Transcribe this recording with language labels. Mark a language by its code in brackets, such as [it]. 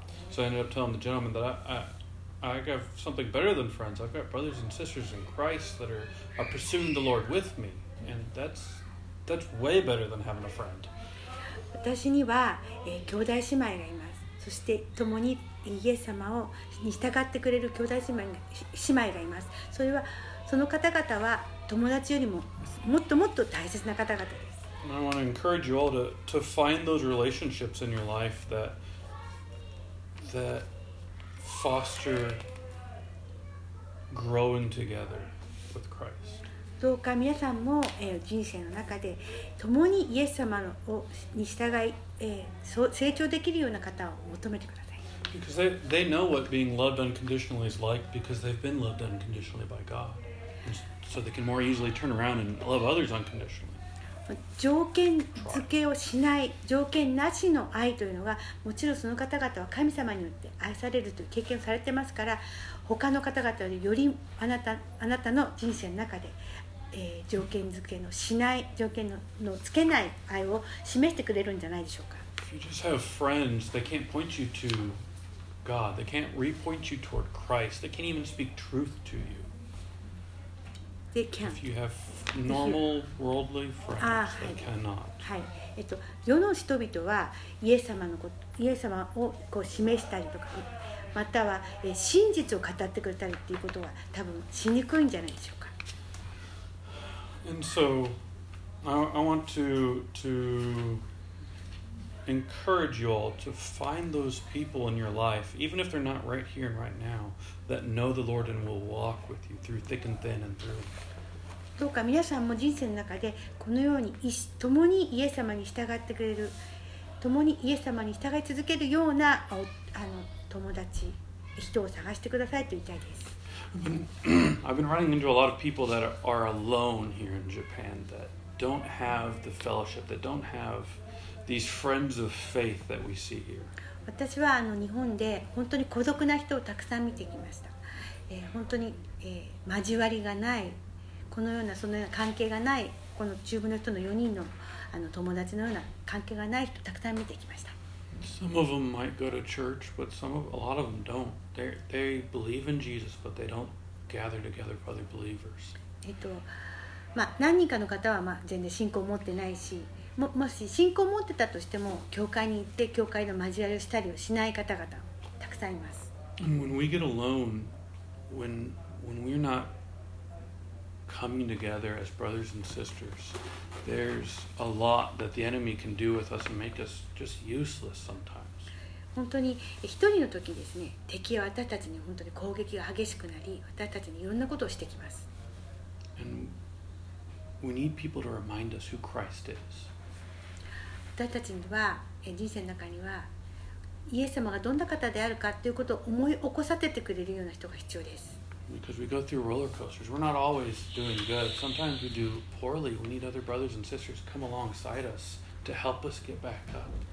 [en] So I ended up telling the gentleman that I have something better than friends. I've got brothers and sisters in Christ that are pursuing the Lord with me. And that's way better than having a friend. [ja] 私には、兄弟姉妹がいます。そして共にイエス様に従ってくれる兄弟姉妹がいます。それはその方々は友達よりももっともっと大切な方々です。 [en] And I want to encourage you all to find those relationships in your life that foster growing together with Christ. [ja] どうか皆さんも人生の中で共にイエス様をに従い成長できるような方を求めてください。 [en] Because they know what being loved unconditionally is like because they've been loved unconditionally by God. So they can more easily turn around and love others unconditionally. [ja] 条件付けをしない条件なしの愛というのがもちろんその方々は神様によって愛されるという経験をされてますから、他の方々よりあなたの人生の中で、条件付けのしない条件 のつけない愛を示してくれるんじゃないでしょうか。 [en] If you just have friends, they can't point you to God. They can't repoint you toward Christ. They can't even speak truth to you. They can't. If you have normal worldly friends, they cannot. [ja] はい。世の人々はイエス様をこう示したりとか、または真実を語ってくれたりっていうことは多分しにくいんじゃないでしょうか。 [en] And so, I want to encourage you all to find those people in your life, even if they're not right here and right now, that know the Lord and will walk with you through thick and thin and through. [ja] どうか皆さんも人生の中でこのように共にイエス様に従ってくれる、共にイエス様に従い続けるような友達、人を探してくださいと言いたいです。 [en] I've been running into a lot of people that are alone here in Japan that don't have the fellowship, that don't have these friends of faith that we see here. [ja] 私は日本で本当に孤独な人をたくさん見てきました。本当に、交わりがない、このようなそのような関係がない、この中部の人の4人 の友達のような関係がない人をたくさん見てきました。 [en] Some of them might go to church, but a lot of them don't. They believe in Jesus, but they don't gather together with other believers. [ja] 何人かの方は全然信仰を持ってないし、もし信仰を持ってたとしても教会に行って教会の交わりをしたりをしない方々たくさんいます。 [en] When we get alone, when we're not coming together as brothers and sisters, there's a lot that the enemy can do with us and make us just useless sometimes. [ja] 本当に一人の時ですね、敵は私たちに本当に攻撃が激しくなり、私たちにいろんなことをしてきます。 [en] And we need people to remind us who Christ is. [ja] 私たちには人生の中にはイエス様がどんな方であるかということを思い起こさせてくれるような人が必要です。 [en] Because we go through roller coasters. We're not always doing good. Sometimes we do poorly. We need other brothers and sisters to come alongside us to help us get back up.